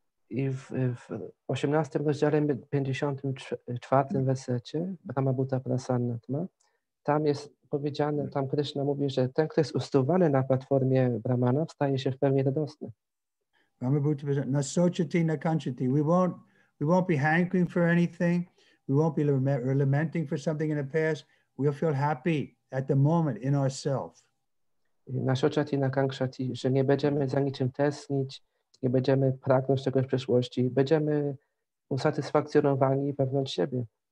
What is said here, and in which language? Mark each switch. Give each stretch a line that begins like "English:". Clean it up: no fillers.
Polish: I w 18 rozdziale 54 wersecie
Sanskrit: Brahma Bhuta Prasanatma,
Polish: tam jest powiedziane, tam Krishna mówi, że ten, kto jest usuwany na platformie Brahmana, staje się w pełni radosny.
Sanskrit: Brahma Bhuta Prasanatma. Na sochati na kanchati.
English: We won't be hankering for anything. We won't be lamenting for something in the past. We'll feel happy at the moment in ourselves.
Sanskrit: Na sochati na kankshati,
Polish: że nie będziemy za niczym tęsknić, nie będziemy pragnąć czegoś w przeszłości, będziemy usatysfakcjonowani wewnątrz siebie.